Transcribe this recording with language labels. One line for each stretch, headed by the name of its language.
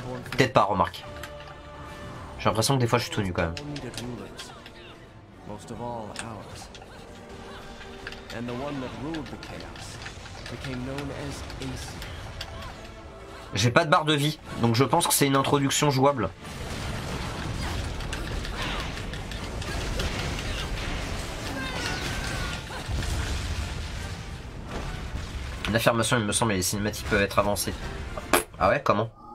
French: Peut-être pas, remarque. J'ai l'impression que des fois je suis tout nu quand même.
English: Most of all, ours. And the one that ruled the chaos became known as Ace.
French: J'ai pas de barre de vie, donc je pense que c'est une introduction jouable. Une affirmation, il me semble, et les cinématiques peuvent être avancées. Ah ouais, comment?